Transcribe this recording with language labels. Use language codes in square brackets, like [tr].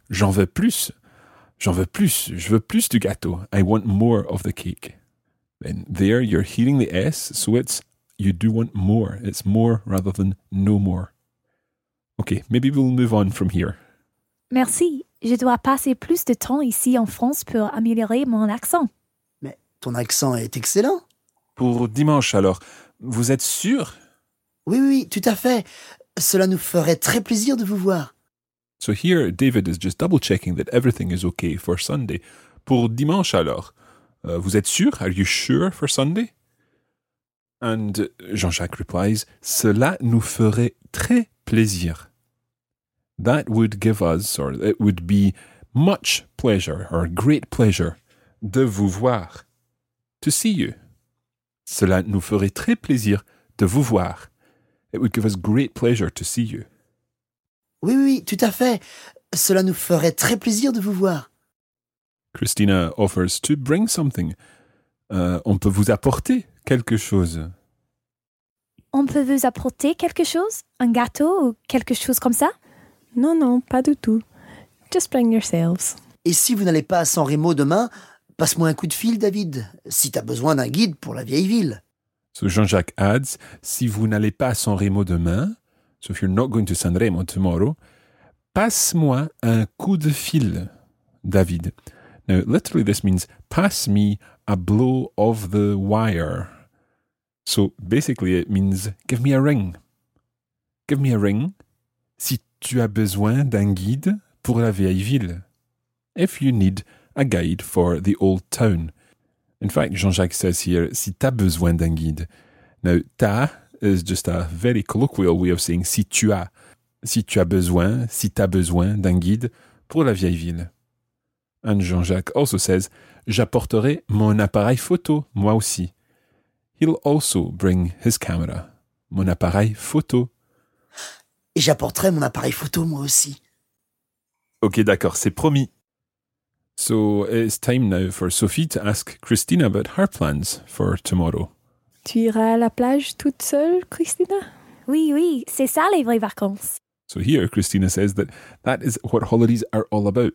[fr] J'en veux plus, j'en veux plus, je veux plus du gâteau, [en] I want more of the cake. Then there you're hearing the S, so it's, you do want more, it's more rather than no more. Okay, maybe we'll move on from here. [fr] Merci. Je dois passer plus de temps ici en France pour améliorer mon accent. Mais ton accent est excellent. Pour dimanche, alors, vous êtes sûr? Oui, tout à fait. Cela nous ferait très plaisir de vous voir. [en] So here, David is just double-checking that everything is okay for Sunday. [fr] Pour dimanche, alors, vous êtes sûr? [en] Are you sure for Sunday? And Jean-Jacques replies, [fr] cela nous ferait très plaisir. [en] That would give us, or it would be much pleasure, or great pleasure, [fr] de vous voir, [en] to see you. [fr] Cela nous ferait très plaisir de vous voir. [en] It would give us great pleasure to see you. [fr] Oui, tout à fait. Cela nous ferait très plaisir de vous voir. [en] Christina offers to bring something. [fr] On peut vous apporter quelque chose. On peut vous apporter quelque chose? Un gâteau ou quelque chose comme ça? Non, pas du tout. [en] Just bring yourselves. [fr] Et si vous n'allez pas à San Remo demain, passe-moi un coup de fil, David, si t'as besoin d'un guide pour la vieille ville. [en] So Jean-Jacques adds, [fr] si vous n'allez pas à San Remo demain, [en] so if you're not going to San Remo tomorrow, [fr] passe-moi un coup de fil, David. [en] Now, literally this means, pass me a blow of the wire. So basically it means, give me a ring. Give me a ring. [fr] Si tu as besoin d'un guide pour la vieille ville. [en] If you need a guide for the old town. In fact, Jean-Jacques says here, [fr] si t'as besoin d'un guide. [en] Now, t'as is just a very colloquial way of saying si tu as. [fr] Si tu as besoin, si t'as besoin d'un guide pour la vieille ville. [en] And Jean-Jacques also says, [fr] j'apporterai mon appareil photo, moi aussi. [en] He'll also bring his camera. [fr] Mon appareil photo. Et j'apporterai mon appareil photo, moi aussi. Ok, d'accord, c'est promis. [en] So, it's time now for Sophie to ask Christina about her plans for tomorrow. [fr] Tu iras à la plage toute seule, Christina? Oui, oui, c'est ça les vraies vacances. [en] So here, Christina says that that is what holidays are all about.